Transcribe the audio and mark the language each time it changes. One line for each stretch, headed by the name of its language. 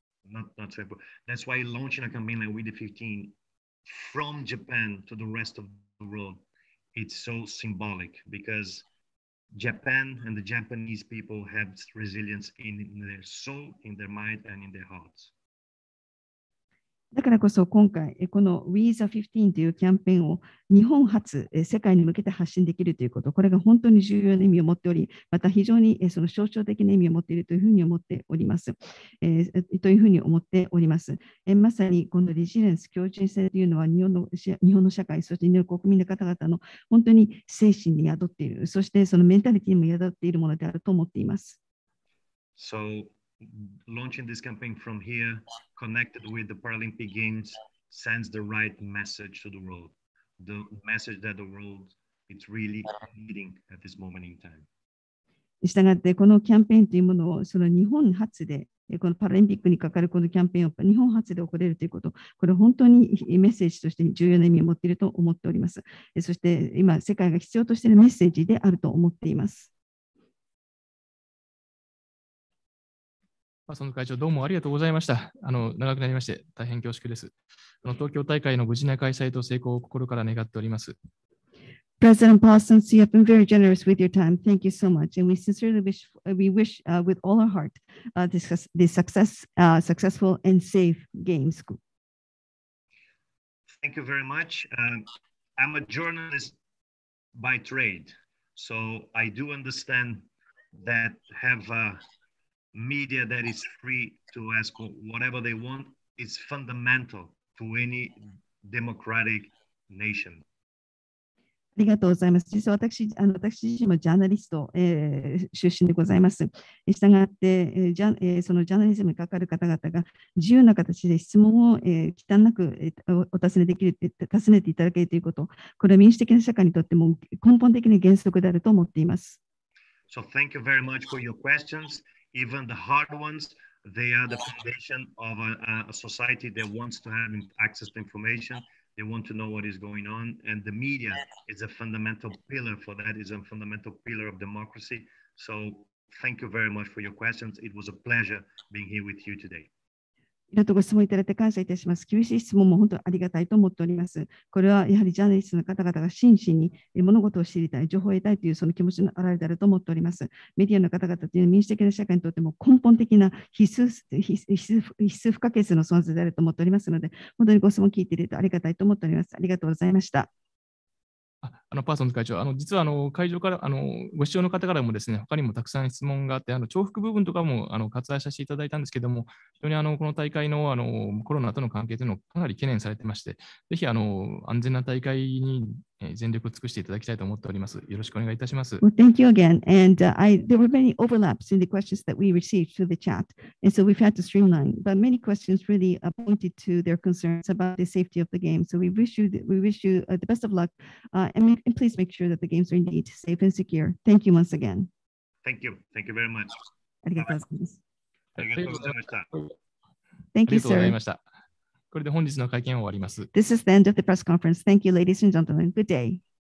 English: Not so important. That's why launching a campaign like Win 15. From Japan to the rest of the world, it's so symbolic because Japan and the Japanese people have resilience in their soul, in their mind, and in their hearts.
Japanese: だからこそ今回この WeTheFifteen というキャンペーンを日本初世界に向けて発信できるということ、これが本当に重要な意味を持っており、また非常にその象徴的な意味を持っているというふうに思っております。というふうに思っております。まさにこのリジリエンス強靭性というのは日本の社会、そして日本国民の方々の本当に精神に宿っている、そしてそのメンタリティにも宿っているものであると思っています。
English: SoLaunching this campaign from here, connected with the Paralympic Games, sends the right message to the world. The message that the world is really needing at this moment in time.
Japanese: したがってこのキャンペーンというものをその日本発でこのパラリンピックにかかるこのキャンペーンを日本発で行えるということ、これ本当にメッセージとして重要な意味を持っていると思っております。そして今世界が必要としているメッセージであると思っています。パーソンズ会長どうもありがとうございました。長くなりまして大変恐縮です。東京大会の無事な開催と成功を心から願っております。
English: President Parsons, you have been very generous with your time. Thank you so much. And we sincerely wish with all our heart this successful and safe games. Thank you very much. I'm a journalist by trade, so I do understand that have a media that is free to ask whatever they want is fundamental to any democratic nation.
Japanese: ありがとうございます。実は私自身もジャーナリスト、出身でございます。したがって、そのジャーナリズムに関わる方々が自由な形で質問を、忌憚なく、お尋ねできる、尋ねていただけるということ、これは民主的な社会にとっても根本的な原則であると思っています。
English: So thank you very much for your questions. Even the hard ones, they are the foundation of a society that wants to have access to information. They want to know what is going on, and the media is a fundamental pillar for that, is a fundamental pillar of democracy. So thank you very much for your questions. It was a pleasure being here with you today.
Japanese: ありがとうご質問いただいて感謝いたします。厳しい質問も本当にありがたいと思っております。これはやはりジャーナリストの方々が真摯に物事を知りたい、情報を得たいというその気持ちの表れであると思っております。メディアの方々というのは民主的な社会にとっても根本的な必須不可欠の存在であると思っておりますので、本当にご質問聞いているとありがたいと思っております。ありがとうございました。パーソンズ会長、実は会場からご視聴の方からもですね、他にもたくさん質問があって、重複部分とかも割愛させていただいたんですけども、非常にこの大会のコロナとの関係というのをかなり懸念されてまして、ぜひ安全な大会に全力を尽くしていただきたいと思っております。よろしくお願いいたします。
English: Well, thank you again. And、there were many overlaps in the questions that we received through the chat, and so we've had to streamline, but many questions really pointed to their concerns about the safety of the game. So we wish you the best of luck、and please make sure that the games are indeed safe and secure. Thank you once again. Thank you very much.
Japanese: ありがとうございます。ありがとうございました。
English: Thank you, sir.
Japanese: ありがとうございました。これで本日の会見を終わります。
English: This is the end of the press conference. Thank you, ladies and gentlemen. Good day.